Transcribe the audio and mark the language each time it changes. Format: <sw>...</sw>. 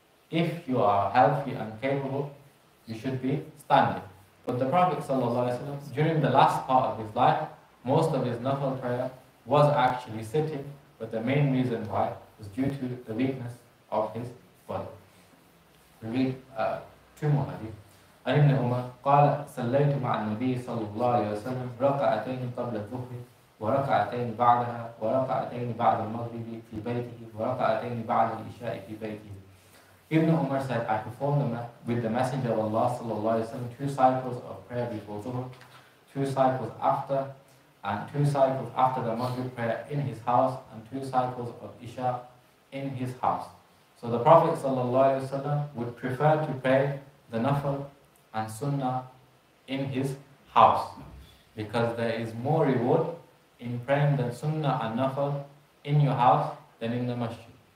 <en>If you are healthy and capable, you should be standing. But the Prophet during the last part of his life, most of his nafil prayer was actually sitting, but the main reason why was due to the weakness of his body. We read two more hadith.</en> <ar>عن ابن عمر قال صليت مع النبي صلى الله عليه وسلم ركعتين قبل الظهر وركعتين بعدها وركعتين بعد المغرب في بيته وركعتين بعد العشاء في بيته.</ar> <en>Ibn Umar said, I performed with the Messenger of Allah</en> <ar>صلى الله عليه وسلم</ar> <en>two cycles of prayer before Zuhr, two cycles after, and two cycles after the Maghrib prayer in his house, and two cycles of Isha in his house. So the Prophet</en> <ar>صلى الله عليه وسلم</ar> <en>would prefer to pray the Nafl and Sunnah in his house, because there is more reward in praying the Sunnah and Nafl in your house than in the Masjid.</en>